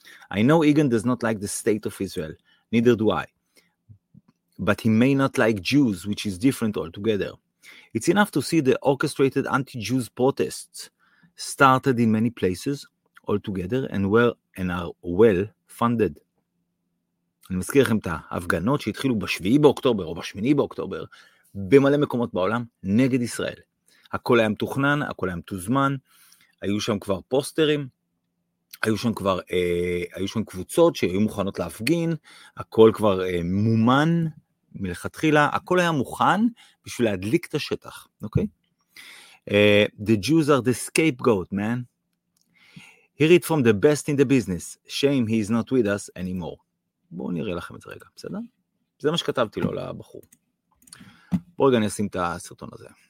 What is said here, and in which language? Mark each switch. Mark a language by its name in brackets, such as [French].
[English] I know Egan does not like the state of Israel, neither do I. But he may not like Jews, which is different altogether. It's enough to see the orchestrated anti-Jews protests started in many places altogether and are well funded. [Hebrew] אני מזכיר לכם את ההפגנות שהתחילו בשביעי באוקטובר או בשמיני באוקטובר במלא מקומות בעולם נגד ישראל. הכל היה מתוכנן, הכל היה מתוזמן, היו שם כבר פוסטרים, היו שם כבר, היו שם קבוצות שהיו מוכנות להפגין, הכל כבר מומן מלכתחילה, הכל היה מוכן בשביל להדליק את השטח, אוקיי? [English] The Jews are the scapegoat, man. He read from the best in the business. Shame he is not with us anymore. [Hebrew] בואו נראה לכם את זה רגע, בסדר? זה מה שכתבתי לו לבחור. בואו רגע נשים את הסרטון הזה.